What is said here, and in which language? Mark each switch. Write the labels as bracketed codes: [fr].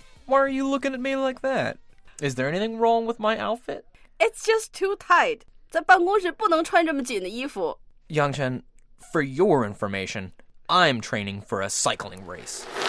[en] Why are you looking at me like that? Is there anything wrong with my outfit? It's just too tight. [zh] 在办公室不能穿这么紧的衣服。 [en] Yangchen,For your information, I'm training for a cycling race.